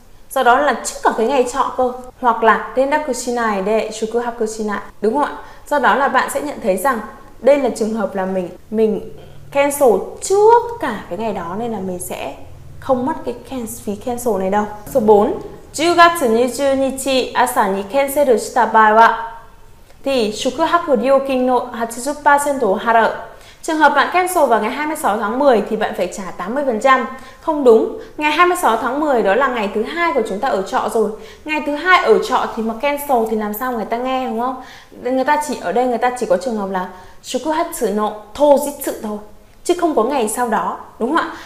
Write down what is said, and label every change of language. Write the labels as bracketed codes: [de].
[vi] Sau đó là trước cả cái ngày chọ cơ. Hoặc là rendaku shinai de shuku haku shinai. Đúng không ạ? Sau đó là bạn sẽ nhận thấy rằng đây là trường hợp là mình cancel trước cả cái ngày đó, nên là mình sẽ không mất cái phí cancel này đâu. Số 4. [ja] 10月 20日 朝 に cancel した場合は thì 宿泊料金の 80% を払う. [vi] Trường hợp bạn cancel vào ngày 26 tháng 10 thì bạn phải trả 80%. Không đúng, ngày 26 tháng 10 đó là ngày thứ 2 của chúng ta ở trọ rồi. Ngày thứ 2 ở trọ thì mà cancel thì làm sao người ta nghe, đúng không? Người ta chỉ ở đây, người ta chỉ có trường hợp là 宿泊 の 当日 thôi, chứ không có ngày sau đó, đúng không ạ?